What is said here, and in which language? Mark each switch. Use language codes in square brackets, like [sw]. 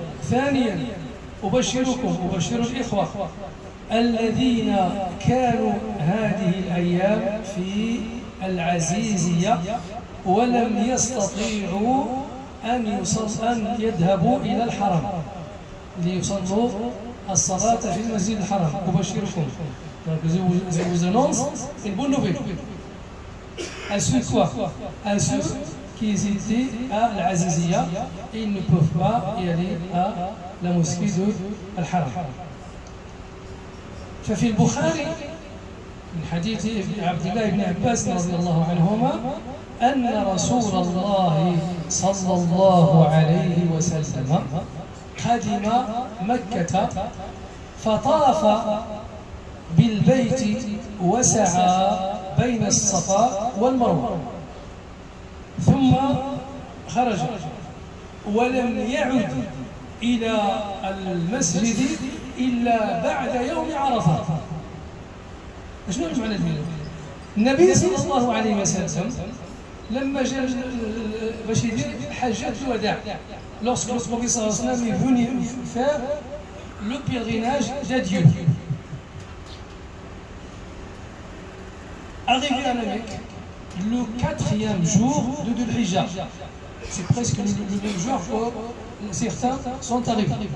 [ar] ثانياً أبشركم أبشر الإخوة الذين كانوا هذه الأيام في العزيزية ولم يستطيعوا أن يذهبوا إلى الحرم ليصلوا الصلاة في المسجد الحرام. أبشركم. [fr] Donc je vous annonce une bonne nouvelle. À ceux quoi? À ceux qui hésitaient à l'Aziziya, ils ne peuvent pas y aller à la mosquée de l'Haram. [ar] ففي البخاري من حديث عبد الله بن عباس رضي الله عنهما أن رسول الله صلى الله عليه وسلم قدم مكة فطاف بالبيت وسعى بين الصفا والمروة ثم خرج ولم يعد إلى المسجد إلا بعد يوم عرفة. شنو معنى ذلك؟ النبي صلى الله عليه وسلم لما جاء باش يدير حجة الوداع، [fr] lorsque le prophète sallallahu alayhi wa sallam est venu faire le pèlerinage d'adieu. Arrivé à la Mecque, le quatrième jour de Dhul-Hijja, c'est presque le même jour que certains sont arrivés.